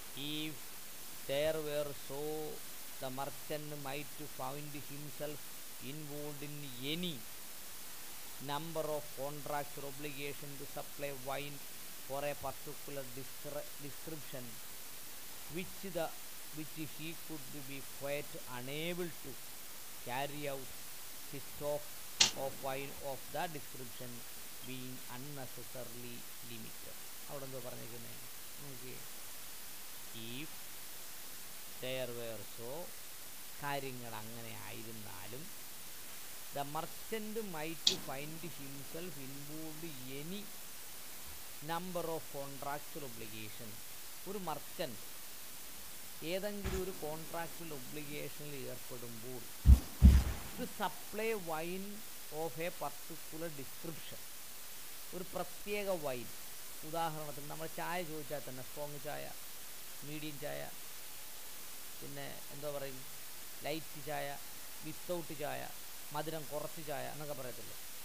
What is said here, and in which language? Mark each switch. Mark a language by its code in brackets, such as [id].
[en] If there were so the merchant might found himself involved in any number of contract obligation to supply wine for a particular description which he could be quite unable to carry out his stock of wine of the description being unnecessarily limited. [ml] അവിടെ എന്തോ പറഞ്ഞിരിക്കുന്നത് നോക്കിയേ. [en] if there were so, [ml] കാര്യങ്ങൾ അങ്ങനെ ആയിരുന്നാലും [en] The merchant might find himself involved any number of contractual obligations. [ml] ഒരു merchant ഏതെങ്കിലും ഒരു കോൺട്രാക്ച്വൽ ഒബ്ലിഗേഷനിൽ ഏർപ്പെടുമ്പോൾ ഒരു [en] supply wine of a particular description, [ml] ഒരു പ്രത്യേക വൈൻ, ഉദാഹരണത്തിന് നമ്മൾ ചായ ചോദിച്ചാൽ തന്നെ സ്ട്രോങ് ചായ, മീഡിയം ചായ, പിന്നെ എന്താ പറയും, ലൈറ്റ് ചായ, വിത്തൗട്ട് ചായ, മധുരം കുറച്ച് ചായ എന്നൊക്കെ പറയത്തില്ലേ.